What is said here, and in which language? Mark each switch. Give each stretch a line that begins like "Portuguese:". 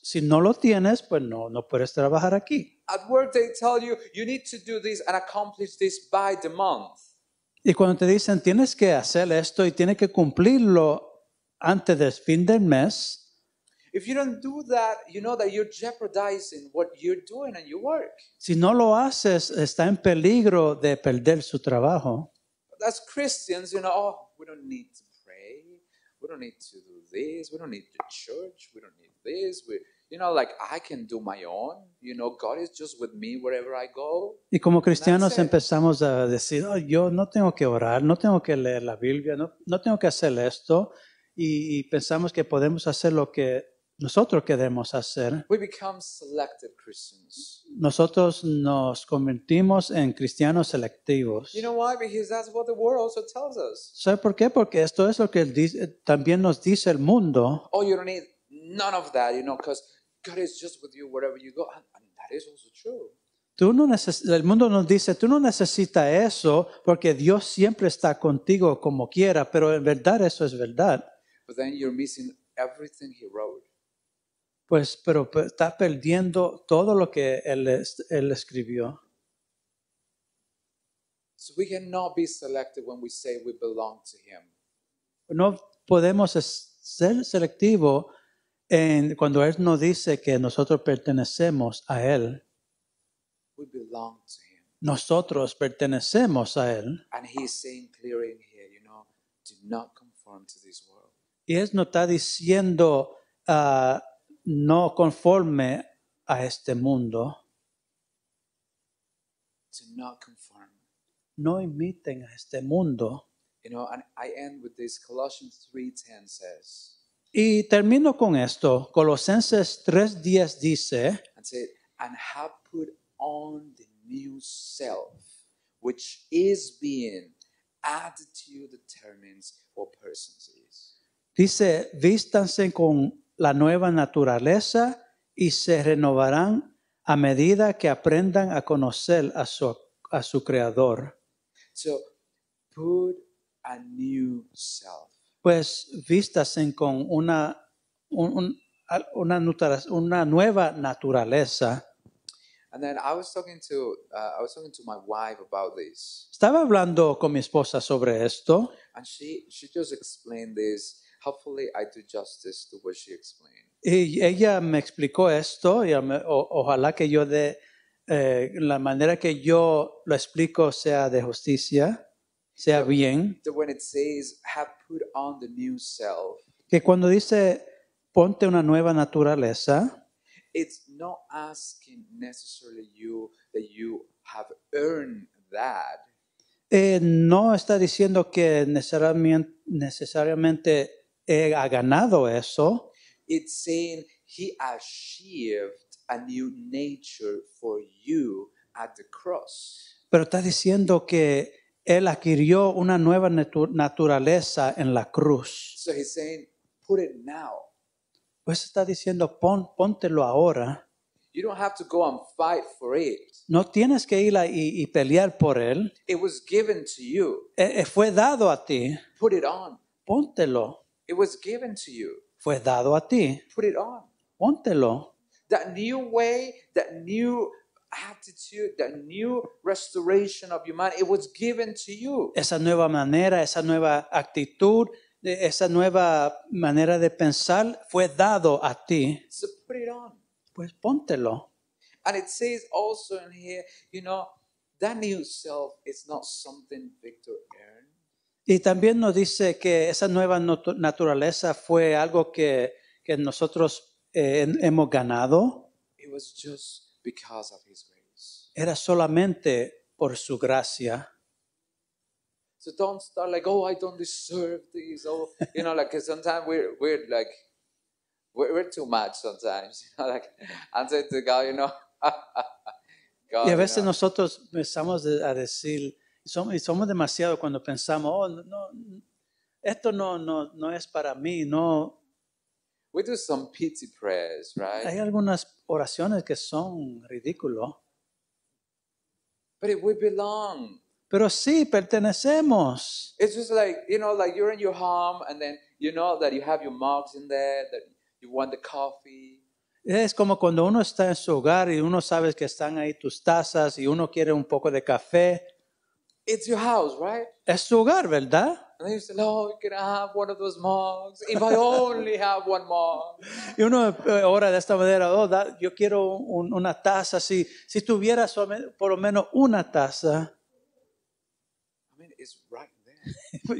Spanish: Si no lo tienes, pues no puedes trabajar aquí.
English: At work they tell you, you need to do this and accomplish this by the month.
Spanish: Y cuando te dicen, tienes que hacer esto y tienes que cumplirlo antes del fin del mes.
English: If you don't do that, you know that you're jeopardizing what you're doing and your work.
Spanish: Si no lo haces, está en peligro de perder su trabajo.
English: As Christians, you know, oh, we don't need to pray. We don't need to do this. We don't need the church. We don't need this. I can do my own. You know, God is just with me wherever I go.
Spanish: Y como cristianos empezamos a decir, oh, yo no tengo que orar, no tengo que leer la Biblia, no tengo que hacer esto. Y pensamos que podemos hacer lo que nosotros queremos hacer.
English: We become selective Christians.
Spanish: Nosotros nos convertimos en cristianos selectivos.
English: You know why? Because that's what the world also tells us.
Spanish: ¿Sabes por qué? Porque esto es lo que también nos dice el mundo.
English: Oh, you don't need none of that, you know, because God is just with you wherever you go. And that is also true.
Spanish: El mundo nos dice, tú no necesitas eso porque Dios siempre está contigo como quiera. Pero en verdad eso es verdad.
English: But then you're missing everything he wrote.
Spanish: Pero está perdiendo todo lo que él escribió.
English: So we cannot be selective when we say we belong to him.
Spanish: No podemos ser selectivo cuando él nos dice que nosotros pertenecemos a él.
English: We belong to him.
Spanish: Nosotros pertenecemos a él.
English: And he's saying clearly in here, you know, do not conform to this world.
Spanish: Y él nos está diciendo, no conforme a este mundo.
English: To not conform.
Spanish: No imiten a este mundo.
English: You know, and I end with this, Colossians 3:10 says.
Spanish: Y termino con esto, Colosenses 3:10 dice.
English: And said, and have put on the new self, which is being attitude determines what persons is.
Spanish: Dice, vístanse con la nueva naturaleza y se renovarán a medida que aprendan a conocer a su Creador.
English: So, put a new self.
Spanish: Pues, vístanse con una nueva naturaleza.
English: And then I was talking to my wife about this.
Spanish: Estaba hablando con mi esposa sobre esto.
English: And she just explained this. Hopefully, I do justice to what she explained.
Spanish: Y ella me explicó esto, y ojalá que yo de la manera que yo lo explico sea de justicia, sea so, bien.
English: So when it says, "Have put on the new self,"
Spanish: que cuando dice ponte una nueva naturaleza,
English: it's not asking necessarily you that you have earned that.
Spanish: No está diciendo que necesariamente ha ganado eso.
English: It's saying he achieved a new nature for you at the cross.
Spanish: Pero está diciendo que él adquirió una nueva naturaleza en la cruz.
English: So he's saying, put it now.
Spanish: Pues está diciendo, póntelo ahora.
English: You don't have to go and fight for it.
Spanish: No tienes que ir y pelear por él.
English: It was given to you.
Spanish: Fue dado a ti.
English: Put it on.
Spanish: Póntelo.
English: It was given to you.
Spanish: Fue dado a ti.
English: Put it on.
Spanish: Póntelo.
English: That new way, that new attitude, that new restoration of your mind, it was given to you.
Spanish: Esa nueva manera, esa nueva actitud, esa nueva manera de pensar fue dado a ti.
English: So put it on.
Spanish: Pues póntelo.
English: And it says also in here, you know, that new self is not something Victor earned.
Spanish: Y también nos dice que esa nueva naturaleza fue algo que nosotros hemos ganado.
English: It was just because of his grace.
Spanish: Era solamente por su gracia.
English: So don't start like, oh, I don't deserve this. Oh, you know, like sometimes we're like, We're too much sometimes. Like, I'm saying to God, you know. God,
Spanish: y a veces
English: you know.
Spanish: nosotros empezamos a decir, somos demasiado cuando pensamos, oh, no, esto no es para mí, no.
English: We do some pity prayers, right?
Spanish: Hay algunas oraciones que son ridículas.
English: But if we belong.
Spanish: Pero sí, pertenecemos.
English: It's just like, you know, like you're in your home and then you know that you have your mugs in there, that you want the coffee.
Spanish: Es como cuando uno está en su hogar y uno sabe que están ahí tus tazas y uno quiere un poco de café.
English: It's your house, right?
Spanish: Es su hogar, ¿verdad?
English: And then you say, no, can I have one of those mugs? If I only have one mug.
Spanish: Y uno ora de esta manera, oh, yo quiero una taza. Si tuviera por lo menos una taza.
English: I mean, it's right there.